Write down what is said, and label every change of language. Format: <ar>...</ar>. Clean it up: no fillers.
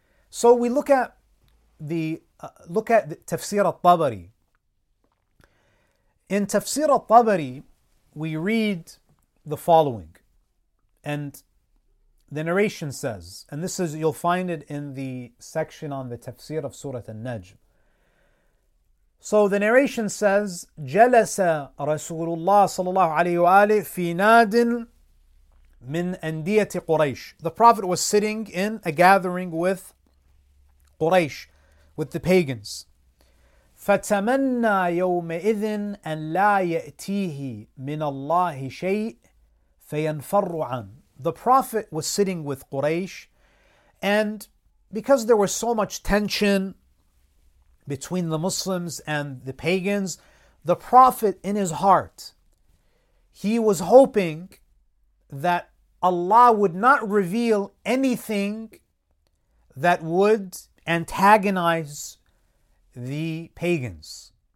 <en>So we look at the Tafsir al-Tabari. In Tafsir al-Tabari, we read the following. And The narration says, and this is, you'll find it in the section on the tafsir of Surah An-Najm. So the narration says,</en> <ar>جَلَسَ رَسُولُ اللَّهِ صَلَى اللَّهُ عَلَيْهُ وَآلِهِ فِي نَادٍ مِنْ أَنْدِيَةِ قُرَيْشٍ.</ar> <en>The Prophet was sitting in a gathering with Quraysh, with the pagans.</en> <ar>فَتَمَنَّى يَوْمَئِذٍ أَنْ لَا يَأْتِيهِ مِنَ اللَّهِ شَيْءٍ فَيَنْفَرُّ عَنْ.</ar> <en>The Prophet was sitting with Quraysh, and because there was so much tension between the Muslims and the pagans, the Prophet in his heart, he was hoping that Allah would not reveal anything that would antagonize the pagans.</en>